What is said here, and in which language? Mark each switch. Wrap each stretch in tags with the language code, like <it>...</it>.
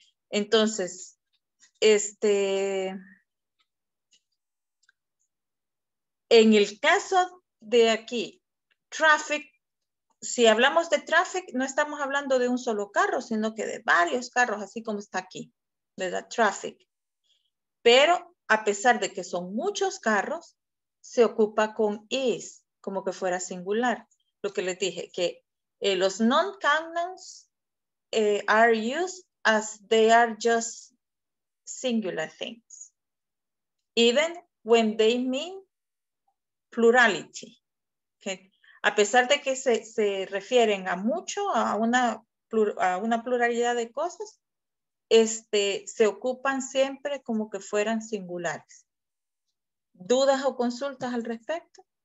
<es>Entonces, en el caso de aquí, traffic, si hablamos de traffic, no estamos hablando de un solo carro, sino que de varios carros, así como está aquí, ¿verdad? Traffic. Pero a pesar de que son muchos carros, se ocupa con is, como que fuera singular. Lo que les dije, que los</es> <en>non-count nouns are used as they are just singular things, even when they mean plurality. Okay.</en> <es>A pesar de que se refieren a mucho, a una pluralidad de cosas, se ocupan siempre como que fueran singulares. ¿Dudas o consultas al respecto?</es>